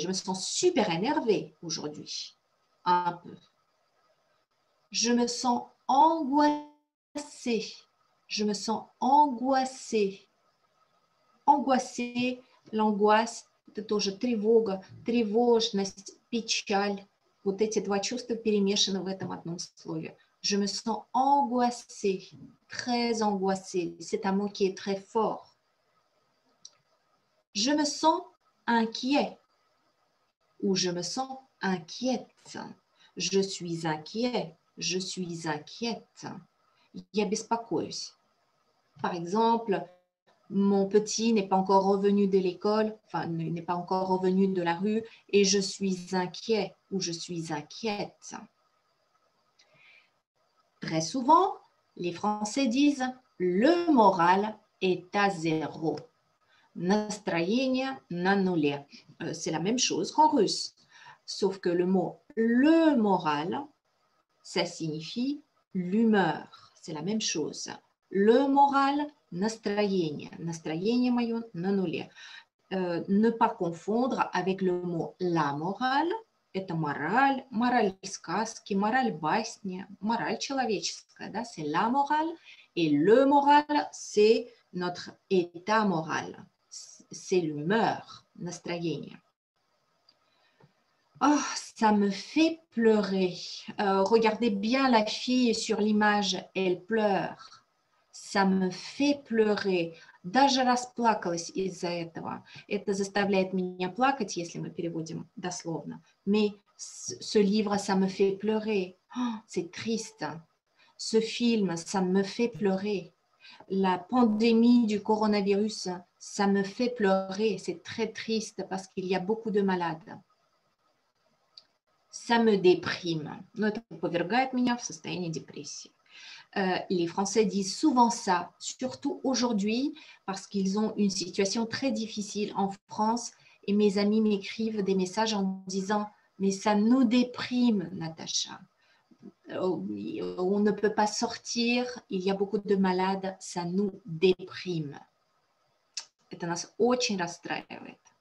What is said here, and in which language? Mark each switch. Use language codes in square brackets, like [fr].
[fr] Je me sens super énervée aujourd'hui. Un peu. Je me sens angoissée. Je me sens angoissée. Angoissée, l'angoisse, c'est aussi [ru] тревога, тревожность, печаль. Вот эти два чувства перемешаны в этом одном слове. [fr] Je me sens angoissée. Très angoissée. C'est un mot qui est très fort. Je me sens inquiet. Ou je me sens inquiète. Je suis inquiet. Je suis inquiète. [ru] Я беспокоюсь. [fr] Par exemple, mon petit n'est pas encore revenu de l'école, enfin, n'est pas encore revenu de la rue, et je suis inquiet ou je suis inquiète. Très souvent, les Français disent « le moral est à zéro ». [ru] Настроение на нуле. [fr] C'est la même chose qu'en russe. Sauf que le mot « le moral », ça signifie l'humeur. C'est la même chose. Le moral, [ru] настроение. Настроение мое на нуле. [fr] Ne pas confondre avec le mot la morale. [ru] Это мораль, мораль сказки, мораль басни, мораль человеческая. Да? [fr] C'est la morale. Et le moral, c'est notre état moral. C'est l'humeur, [ru] настроение. [fr] Oh, ça me fait pleurer. Regardez bien la fille sur l'image, elle pleure. Ça me fait pleurer. [ru] Даже расплакалась из-за этого. Это заставляет меня плакать, если мы переводим дословно. [fr] Mais ce livre, ça me fait pleurer. Oh, c'est triste. Ce film, ça me fait pleurer. La pandémie du coronavirus, ça me fait pleurer. C'est très triste parce qu'il y a beaucoup de malades. Ça me déprime. [ru] Но это повергает меня в состояние депрессии. [fr] Les Français disent souvent ça, surtout aujourd'hui, parce qu'ils ont une situation très difficile en France. Et mes amis m'écrivent des messages en disant « Mais ça nous déprime, Natacha. On ne peut pas sortir, il y a beaucoup de malades, ça nous déprime. » [ru] Это нас очень расстраивает.